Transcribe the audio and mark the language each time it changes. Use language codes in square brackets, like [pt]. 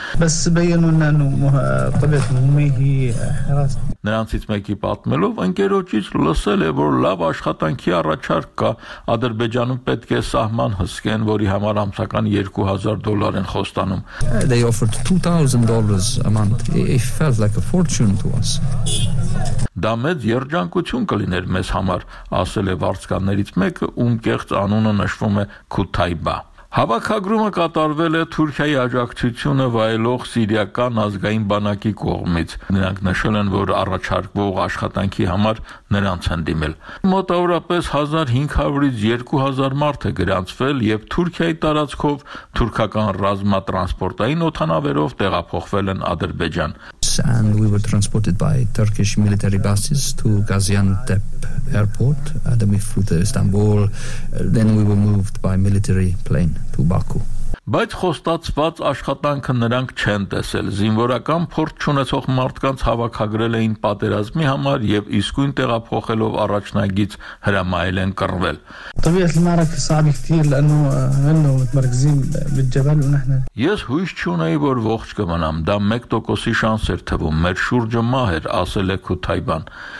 [hy] Նրանցից մեկի պատմելով ընկերոջից լսել է, որ լավ աշխատանքի առաջարկ կա, Ադրբեջանում պետք է սահման հսկեն, որի համար ամսական $2,000 են խոստանում։ [en] They offered $2,000 a month. It felt like a fortune to us. [hy] Դա մեծ երջանկություն կլիներ մեզ համար, ասել է վարձկաններից մեկը, ում կեղծ անունը նշվում է Քութայբա։ Հավաքագրումը կատարվել է Թուրքիայի աջակցությունը վայելող Սիրիական ազգային բանակի կողմից։ Նրանք նշել են, որ առաջարկվող աշխատանքի համար նրանց են դիմել։ Մոտավորապես 1500-ից 2000 մարդ է գրանցվել և Թուրքիայի տարածքով թուրքական ռազմատրանսպորտային օդանավերով տեղափոխվել են Ադրբեջան։ [en] And we were transported by Turkish military buses to Gaziantep Airport, and then we flew to Istanbul, then we were moved by military plane to Baku. [hy] Բայց խոստացված աշխատանքը նրանք չեն տեսել։ Զինվորական փորձ ունեցող մարդկանց հավաքագրել էին պատերազմի համար և իսկույն տեղափոխելով առաջնագից հրամայել են կռվել։ Ես հույս չունեի, որ ողջ կմնամ, դա 1%-ի շանս էր թվում, մեր շուրջը մահ էր, ասել է Քութայբան։